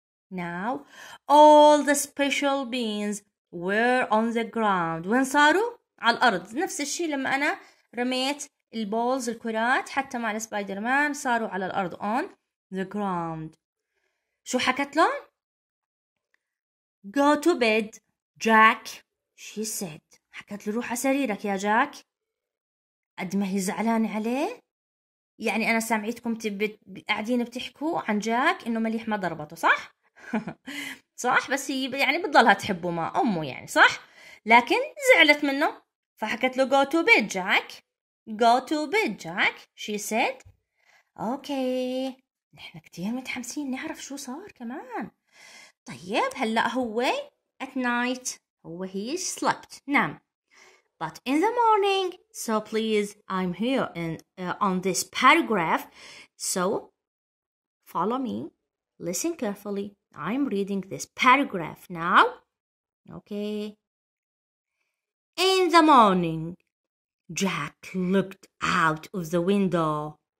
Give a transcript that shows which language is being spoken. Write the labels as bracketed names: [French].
[English] Now all the special beans were on the ground. [Arabic] وين صاروا؟ على الأرض. نفس الشيء لما أنا رميت البولز الكرات حتى مع السبايدر مان صاروا على الأرض. [English] On the ground. [Arabic] شو حكت لهم؟ [English] Go to bed, Jack, she said. [Arabic] حكت له روح على سريرك يا جاك. قد ما هي زعلانة عليه يعني أنا سامعيتكم قاعدين بتحكوا عن جاك إنه مليح ما ضربته, صح؟ صح, بس هي يعني بتضلها تحبه ما أمه يعني, صح؟ لكن زعلت منه فحكت له [English] go to bed Jack. go to bed Jack, she said. [Arabic] أوكي, نحن كتير متحمسين نعرف شو صار كمان. طيب هلأ هو [English] at night, [Arabic] هو [English] he slept, [Arabic] نعم. [English] But in the morning, so please, I'm here in on this paragraph. So, follow me. Listen carefully. I'm reading this paragraph now. Okay. In the morning, Jack looked out of the window.